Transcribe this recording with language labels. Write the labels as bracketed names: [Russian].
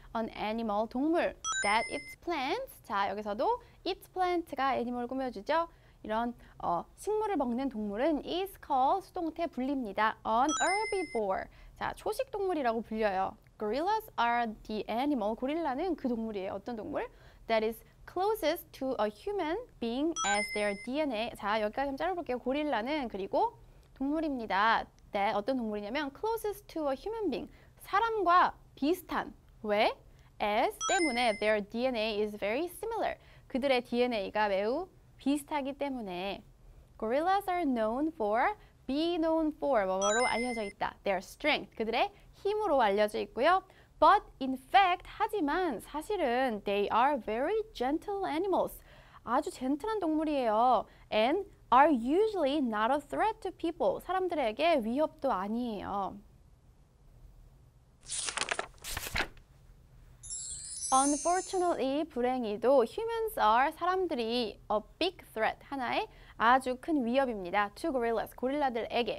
[English] An animal, 동물. That eats plants. 자, 여기서도 eats plant가 animal을 [Korean] 꾸며주죠. 이런 식물을 먹는 동물은 [English] is called [Korean] 수동태 불립니다. [English] An herbivore. [Korean] 자, 초식 동물이라고 불려요. [English] Gorillas are the animal. [Korean] 고릴라는 그 동물이에요. 어떤 동물? [English] That is closest to a human being as their DNA. [Korean] 자, 여기까지 좀 짧아볼게요. 고릴라는 그리고 동물입니다. 네, 어떤 동물이냐면 [English] closest to a human being. [Korean] 사람과 비슷한. 왜? [English] As 때문에 their DNA is very similar. [Korean] 그들의 DNA가 매우 비슷하기 때문에. [English] Gorillas are known for, be known for, [Korean] 뭐뭐로 알려져 있다. [English] Their strength. [Korean] 그들의 힘으로 알려져 있고요. [English] But in fact, [Korean] 하지만 사실은 [English] they are very gentle animals. [Korean] 아주 젠틀한 동물이에요. [English] And are usually not a threat to people. [Korean] 사람들에게 위협도 아니에요. [English] Unfortunately, [Korean] 불행히도 [English] humans are 사람들이 a big threat. 하나의 [Korean] 아주 큰 위협입니다. [English] Two gorillas, [Korean] 고릴라들에게.